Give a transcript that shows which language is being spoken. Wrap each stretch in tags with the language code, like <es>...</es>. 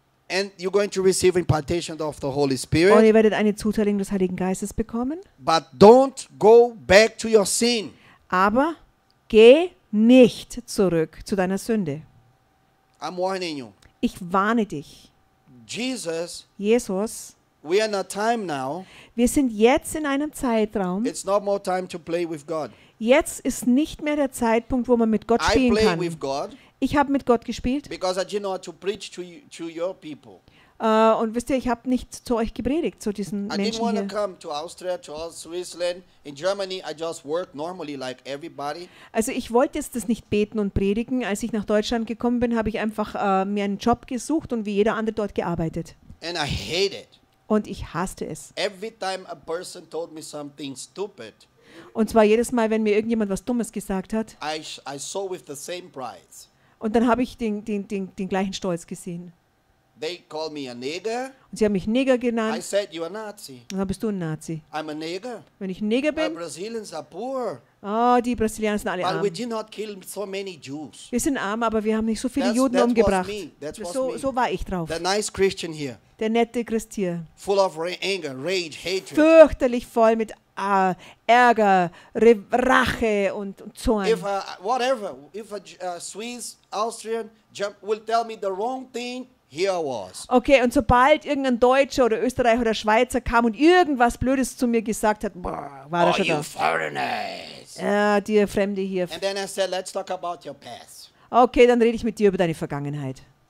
<en>And you're going to receive impartation of the Holy Spirit.</en> <de>Und ihr werdet eine Zuteilung des Heiligen Geistes bekommen.</de> <en>But don't go back to your sin.</en> <de>Aber geh nicht zurück zu deiner Sünde.</de> <en>I'm warning you.</en> <de>Ich warne dich.</de> <en>Jesus, we are in a time now.</en> <de>Wir sind jetzt in einem Zeitraum.</de> <en>It's not more time to play with God.</en> <de>Jetzt ist nicht mehr der Zeitpunkt, wo man mit Gott spielen kann.</de> <en>I play with God.</en> <de>Ich habe mit Gott gespielt.</de> <en>Because I didn't know how to preach to your people.</en> <de>Und wisst ihr, ich habe nicht zu euch gepredigt, zu diesen Menschen hier.</de> <en>I didn't want to come to Austria, to Switzerland. In Germany, I just work normally like everybody.</en> <de>Also ich wollte jetzt das nicht beten und predigen. Als ich nach Deutschland gekommen bin, habe ich einfach mir einen Job gesucht und wie jeder andere dort gearbeitet.</de> <en>And I hate it.</en> <de>Und ich hasste es.</de> <en>Every time a person told me something stupid.</en> <de>Und zwar jedes Mal, wenn mir irgendjemand was Dummes gesagt hat.</de> <en>I saw with the same pride.</en> <de>Und dann habe ich den gleichen Stolz gesehen.</de> <en>They call me a nigger.</en> <de>Und sie haben mich Neger genannt.</de> <en>I said you are Nazi.</en> <de>Und dann bist du ein Nazi.</de> <en>I'm a nigger.</en> <de>Wenn ich ein Neger bin.</de> <en>The Brazilians are poor.</en> <de>Oh, die Brasilianer sind alle</de> <en>but</en> <de>arm.</de> <en>We did not kill so many Jews.</en> <de>Wir sind arm, aber wir haben nicht so viele Juden umgebracht.</de> <en>That was me.</en> <de>So war ich drauf.</de> <en>The nice Christian here.</en> <de>Der nette Christ hier.</de> <en>Full of anger, rage, hatred.</en> <de>Fürchterlich voll mit Ärger, Rache und Zorn.</de> <en>If a Swiss, Austrian will tell me the wrong thing. Here was.</en> <de>Okay, und sobald irgendein Deutscher oder Österreicher oder Schweizer kam und irgendwas Blödes zu mir gesagt hat, war er schon da. Dir Fremde hier.</de> <en>And then I said, let's talk about your past.</en> <de>Okay, dann rede ich mit dir über deine Vergangenheit.</de>